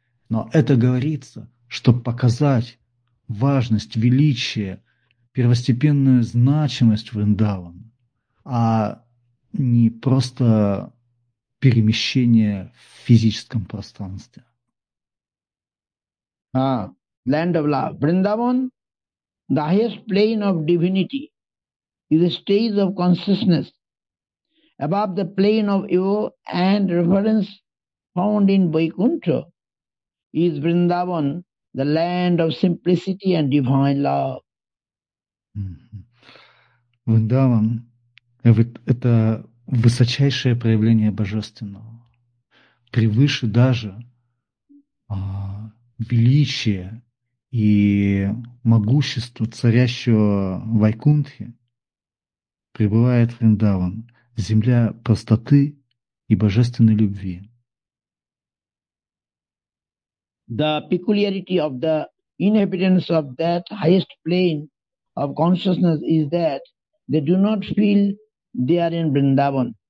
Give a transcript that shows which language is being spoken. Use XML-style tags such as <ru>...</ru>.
<ru>Но это говорится, чтобы показать важность, величие, первостепенную значимость Вриндавана, а не просто перемещение в физическом пространстве.</ru> <en>Land of love. Vrindavan, the highest plane of divinity, is the stage of consciousness above the plane of ego and reverence found in Vaikuntha. Is Vrindavan the land of simplicity and divine love?</en> <ru>Vrindavan, это высочайшее проявление божественного, превыше даже величия и могущества царящего Вайкунтхи, пребывает Вриндаван, земля простоты и божественной любви.</ru> <en>The peculiarity of the inhabitants of that highest plane of consciousness is that they do not feel they are in Vrindavan.</en>